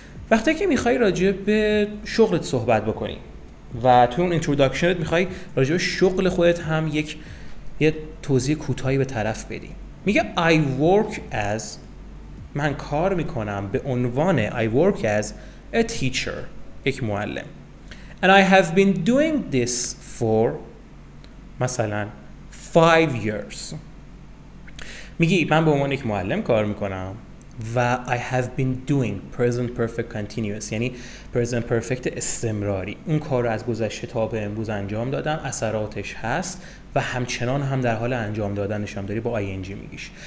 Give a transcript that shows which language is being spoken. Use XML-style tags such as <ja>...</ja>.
<fa>وقتی که میخوایی راجع به شغلت صحبت بکنی و تو اون introductionت میخوایی راجع به شغل خودت هم یه توضیح کوتاهی به طرف بدی، میگه</fa> <en>I work as،</en> <fa>من کار میکنم به عنوان</fa> <en>I work as a teacher،</en> <fa>یک معلم.</fa> <en>And I have been doing this for مثلا 5 years.</en> <fa>میگی من به عنوان یک معلم کار میکنم و</fa> <en>I have been doing present perfect continuous،</en> <fa>یعنی present perfect استمراری، اون کار از گذشته تا به امروز انجام دادم، اثراتش هست و همچنان هم در حال انجام دادنش هم داری، با ING میگیش.</fa>